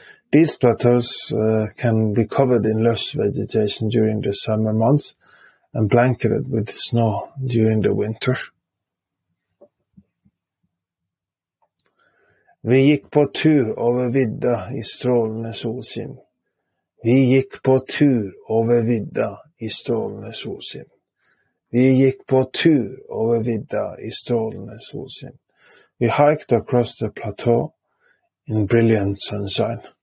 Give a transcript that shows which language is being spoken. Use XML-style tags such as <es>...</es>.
<en>These plateaus can be covered in lush vegetation during the summer months and blanketed with snow during the winter.</en> <no>Vi gikk på tur over vidda i strålende solskinn. Vi gikk på tur over vidda i strålende solskinn. Vi gikk på tur over vidda i strålende solskinn.</no> <en>We hiked across the plateau in brilliant sunshine.</en>